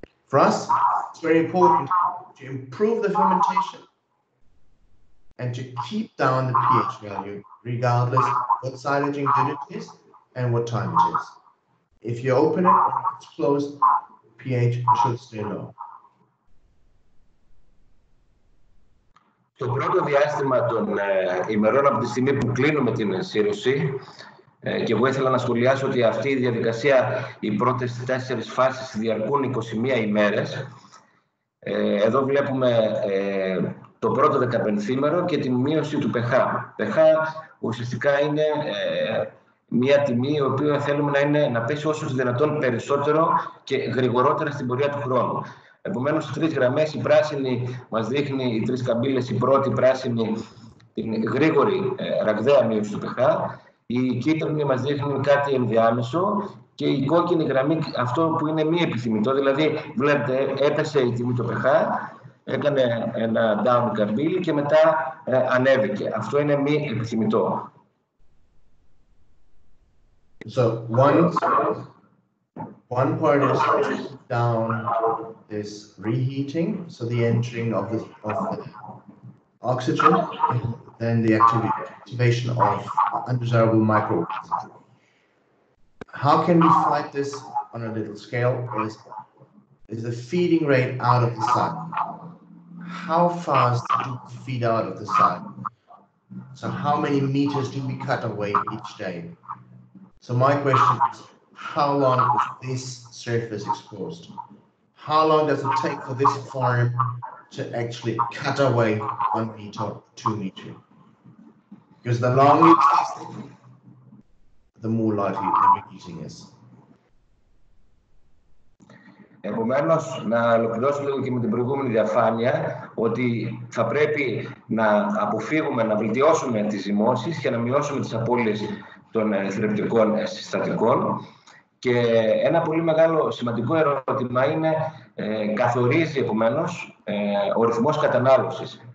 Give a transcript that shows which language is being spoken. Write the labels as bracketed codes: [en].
[en] For us, it's very important to improve the fermentation and to keep down the pH value, regardless what silage ingredient is and what time it is. If you open it or it's closed, pH should stay low. [el] Το πρώτο διάστημα των ημερών από τη στιγμή που κλείνουμε την σύρωση και εγώ ήθελα να σχολιάσω ότι αυτή η διαδικασία, οι πρώτες τέσσερις φάσεις διαρκούν 21 ημέρες. Εδώ βλέπουμε το πρώτο 15ήμερο και την μείωση του pH. pH ουσιαστικά είναι μια τιμή η οποία θέλουμε να πέσει όσο δυνατόν περισσότερο και γρηγορότερα στην πορεία του χρόνου. Επομένως, οι τρεις γραμμές, η πράσινη μας δείχνει, οι τρεις καμπύλες, η πρώτη πράσινη, την γρήγορη ραγδαία μείωση του pH. Η κίτρινη μας δείχνει κάτι ενδιάμεσο και η κόκκινη γραμμή, αυτό που είναι μη επιθυμητό. Δηλαδή, βλέπετε, έπεσε η τιμή του pH, έκανε ένα down καμπύλη και μετά ανέβηκε. Αυτό είναι μη επιθυμητό. [en] So, one part is down this reheating, so the entering of the oxygen, then the activation of undesirable microorganisms. How can we fight this on a little scale? Is the feeding rate out of the sun? How fast do we feed out of the sun? So how many meters do we cut away each day? So my question is, how long is this surface exposed? How long does it take for this farm to actually cut away 1 meter, 2 meters? Because the longer it takes, the more likely the reheating is. [el] Επομένως, να ολοκληρώσω λίγο και με την προηγούμενη διαφάνεια, ότι θα πρέπει να αποφύγουμε, να βελτιώσουμε τις ζυμώσεις και να μειώσουμε τις απώλειες των θρεπτικών συστατικών. Και ένα πολύ μεγάλο σημαντικό ερώτημα είναι, καθορίζει επομένως ο ρυθμός κατανάλωσης.